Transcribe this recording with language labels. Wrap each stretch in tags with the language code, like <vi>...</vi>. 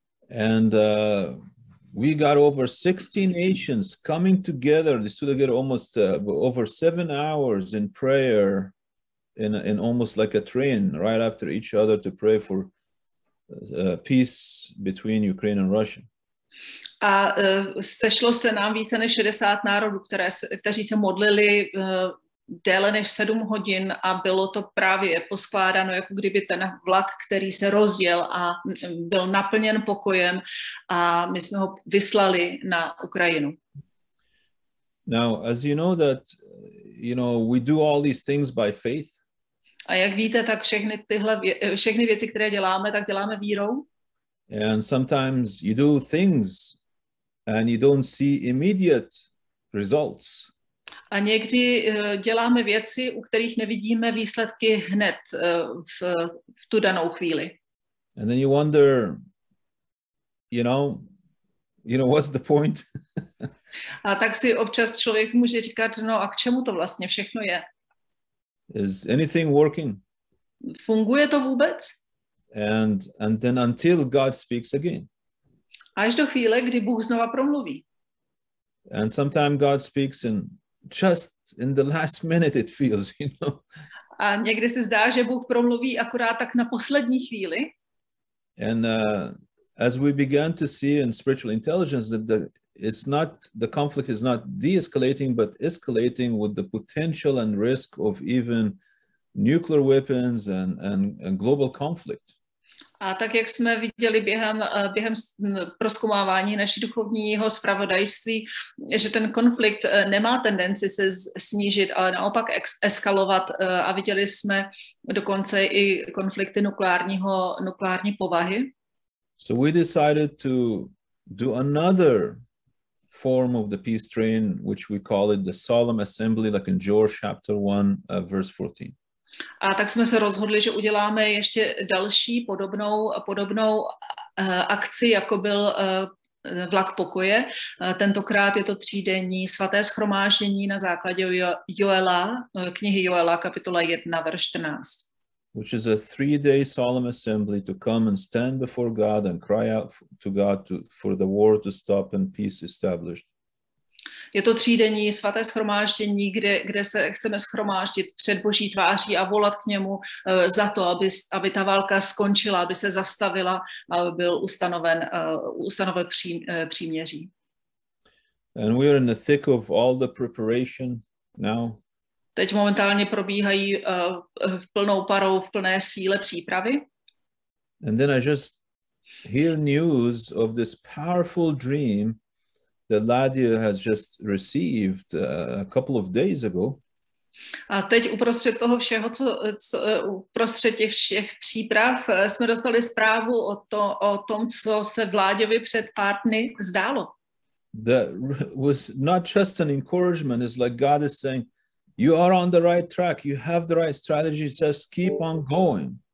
<en>And we got over 16 nations coming together. They stood together almost over 7 hours in prayer, in almost like a train, right after each other to pray for peace between Ukraine and Russia.</en> <cs>A sešlo se nám více než 60 národů, kteří se modlili déle než 7 hodin a bylo to právě poskládáno, jako kdyby ten vlak, který se rozjel a byl naplněn pokojem a my jsme ho vyslali na Ukrajinu.</cs> <en>Now, as you know that, you know, we do all these things by faith.</en> <cs>A jak víte, tak všechny věci, které děláme, tak děláme vírou.</cs> <en>And sometimes you do things and you don't see immediate results.</en> <cs>A někdy děláme věci, u kterých nevidíme výsledky hned v tu danou chvíli.</cs> <en>And then you wonder, you know, what's the point?</en> <cs>A tak si občas člověk může říkat, no a k čemu to vlastně všechno je?</cs> <en>Is anything working?</en> <cs>Funguje to vůbec?</cs> <en>And then until God speaks again.</en> <cs>Až do chvíle, kdy Bůh znova promluví.</cs> <en>And sometimes God speaks in just in the last minute it feels, you know.</en> <cs>A někdy se zdá, že Bůh promluví akorát tak na poslední chvíli.</cs> <en>And as we began to see in spiritual intelligence that the conflict is not de-escalating but escalating with the potential and risk of even nuclear weapons and global conflict.</en> <cs>A tak jak jsme viděli během prozkoumávání naší duchovního zpravodajství, že ten konflikt nemá tendenci se snížit, ale naopak eskalovat, a viděli jsme dokonce i konflikty nukleární povahy.</cs> <en>So we decided to do another form of the peace train, which we call it the solemn assembly, like in George chapter 1, verse 14.</en> <cs>A tak jsme se rozhodli, že uděláme ještě další podobnou akci, jako byl vlak pokoje. Tentokrát je to třídenní svaté shromáždění na základě knihy Joela, kapitola 1, verš 14.</cs> <en>Which is a three-day solemn assembly to come and stand before God and cry out to God for the war to stop and peace established.</en> <cs>Je to třídenní svaté shromáždění, kde se chceme shromáždit před Boží tváří a volat k němu za to, aby ta válka skončila, aby se zastavila a byl ustanoven příměří.</cs> <en>And we are in the thick of all the preparation now.</en> <cs>Teď momentálně probíhají v plnou parou, v plné síle přípravy.</cs> <en>And then I just hear news of this powerful dream that Ladia has just received a couple of days ago.</en> <cs>A teď uprostřed toho všeho, co uprostřed těch všech příprav, jsme dostali zprávu o tom, co se Vláďovi před pár dny zdálo.</cs> <en>That was not just an encouragement, it's like God is saying, you are on the right track, you have the right strategy, just keep on going.</en>